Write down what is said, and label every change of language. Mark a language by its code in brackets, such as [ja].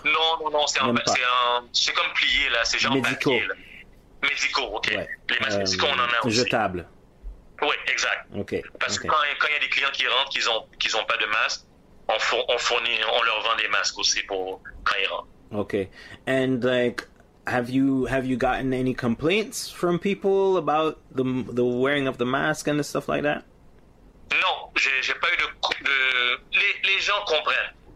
[fr] Non, c'est comme plié, là, c'est genre médicaux. Papier, là. Médicaux, ok. Ouais. Les masques médicaux, on en a jetables. Aussi. Jetables. Oui, exact. [en] Okay. [fr] Parce que quand il y a des clients qui rentrent, qu'ils ont pas de masque, on leur vend des masques aussi pour quand ils rentrent. [en] Okay. And like, have you gotten any complaints from people about the wearing of the mask and the stuff like that? [fr] Non, j'ai pas eu de les gens comprennent.